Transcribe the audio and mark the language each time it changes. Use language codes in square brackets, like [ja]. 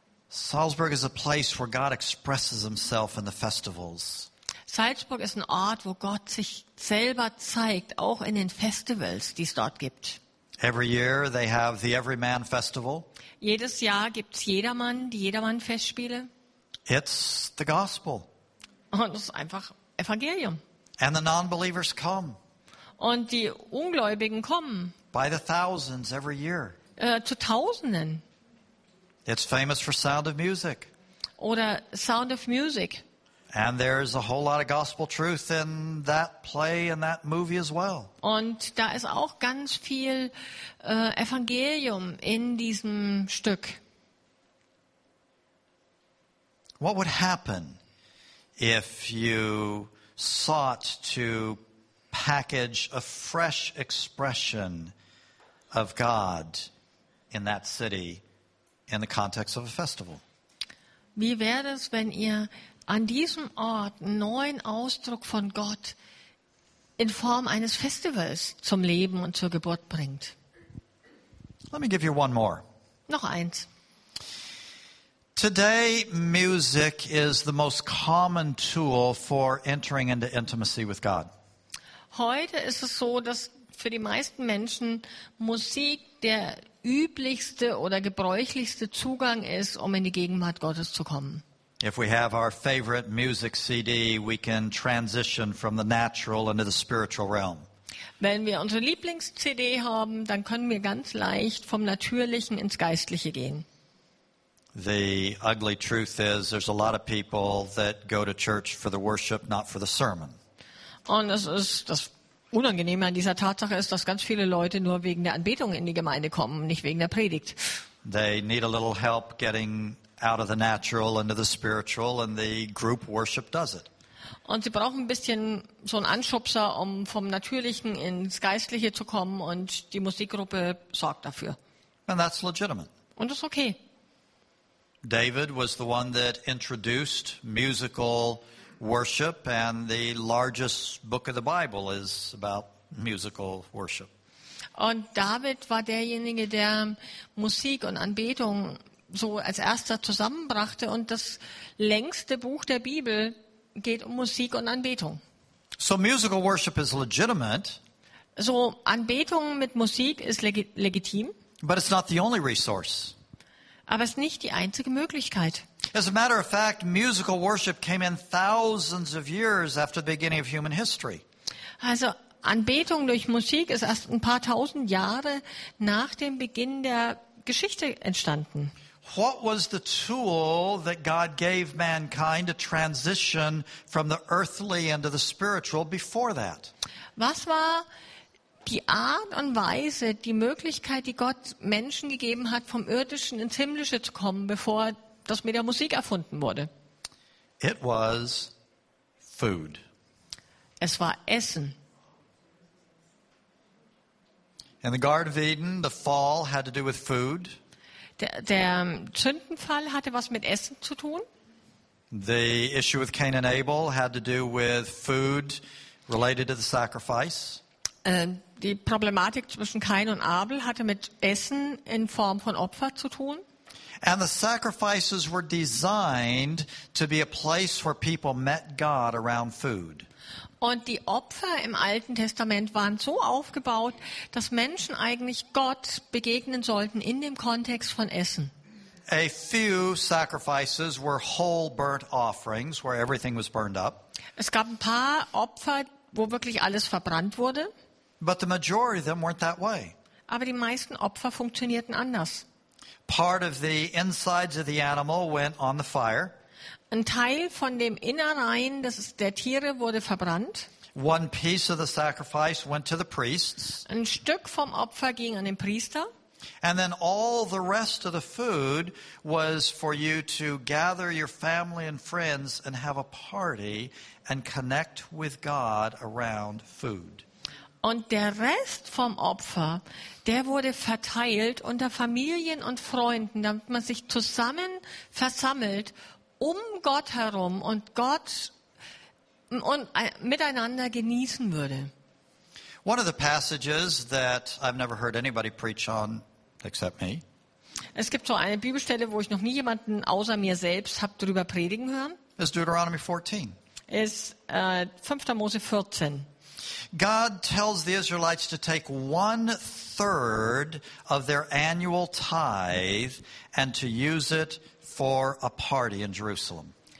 [en] Salzburg is a place where God expresses himself in the festivals. [de] Salzburg ist ein Ort, wo Gott sich selber zeigt, auch in den Festivals, die es dort gibt. [en] Every year they have the Everyman Festival. [de] Jedes Jahr gibt's Jedermann, die Jedermann-Festspiele. [en] It's the gospel. [de] Und es ist einfach Evangelium. [en] And the non-believers come. [de] Und die Ungläubigen kommen. [en] By the thousands every year. [de] Zu Tausenden. [en] It's famous for Sound of Music. [de] Oder Sound of Music. [en] And there's a whole lot of gospel truth in that play and that movie as well. [de] Und da ist auch ganz viel Evangelium in diesem Stück. [en] What would happen if you sought to package a fresh expression of God in that city in the context of a festival? [de] Wie wäre es, wenn ihr an diesem Ort einen neuen Ausdruck von Gott in Form eines Festivals zum Leben und zur Geburt bringt? [en] Let me give you one more. [de] Noch eins. [en] Today music is the most common tool for entering into intimacy with God. [de] Heute ist es so, dass für die meisten Menschen Musik der üblichste oder gebräuchlichste Zugang ist, um in die Gegenwart Gottes zu kommen. [en] If we have our favorite music CD, we can transition from the natural into the spiritual realm. [de] Wenn wir unsere Lieblings-CD haben, dann können wir ganz leicht vom Natürlichen ins Geistliche gehen. [en] The ugly truth is, there's a lot of people that go to church for the worship, not for the sermon. [de] Und das Unangenehme an dieser Tatsache ist, dass ganz viele Leute nur wegen der Anbetung in die Gemeinde kommen, nicht wegen der Predigt. [en] They need a little help getting out of the natural into the spiritual, and the group worship does it. [de] Und sie brauchen ein bisschen so einen Anschubser, um vom Natürlichen ins Geistliche zu kommen, und die Musikgruppe sorgt dafür. [en] And that's legitimate. [de] Und das ist okay. [en] David was the one that introduced musical worship, and the largest book of the Bible is about musical worship. [de] Und David war derjenige, der Musik und Anbetung so als erster zusammenbrachte, und das längste Buch der Bibel geht um Musik und Anbetung. [en] So musical worship is legitimate. [de] So Anbetung mit Musik ist legitim. [en] But it's not the only resource. [de] Aber es ist nicht die einzige Möglichkeit. [en] As a matter of fact, musical worship came in thousands of years after the beginning of human history. [de] Also Anbetung durch Musik ist erst ein paar tausend Jahre nach dem Beginn der Geschichte entstanden. [en] What was the tool that God gave mankind to transition from the earthly into the spiritual before that? [de] Was war die Art und Weise, die Möglichkeit, die Gott Menschen gegeben hat, vom Irdischen ins Himmlische zu kommen, bevor das mit der Musik erfunden wurde? [en] It was food. [de] Es war Essen. [en] In the Garden of Eden, the fall had to do with food. [de] Der Sündenfall hatte was mit Essen zu tun. [en] The issue with Cain and Abel had to do with food related to the sacrifice. [de] Die Problematik zwischen Cain und Abel hatte mit Essen in Form von Opfer zu tun. [en] And the sacrifices were designed to be a place where people met God around food. [de] Und die Opfer im Alten Testament waren so aufgebaut, dass Menschen eigentlich Gott begegnen sollten in dem Kontext von Essen. [en] A few sacrifices were whole burnt offerings where everything was burned up. [de] Es gab ein paar Opfer, wo wirklich alles verbrannt wurde. [en] But the majority of them weren't that way. [de] Aber die meisten Opfer funktionierten anders. [en] Part of the insides of the animal went on the fire. [de] Ein Teil von dem Innereien der Tiere wurde verbrannt. [en] One piece of the sacrifice went to the priests. [de] Ein Stück vom Opfer ging an den Priester. [en] And then all the rest of the food was for you to gather your family and friends and have a party and connect with God around food. [de] Und der Rest vom Opfer, der wurde verteilt unter Familien und Freunden, damit man sich zusammen versammelt um Gott herum und Gott und miteinander genießen würde. [en] One of the passages that I've never heard anybody preach on except me. [de] Es gibt so eine Bibelstelle, wo ich noch nie jemanden außer mir selbst habe darüber predigen hören. [en] It's Deuteronomy 14. [de] Ist 5. Mose 14. [en] God tells the Israelites to take 1/3 of their annual tithe and to use it for a party in Jerusalem.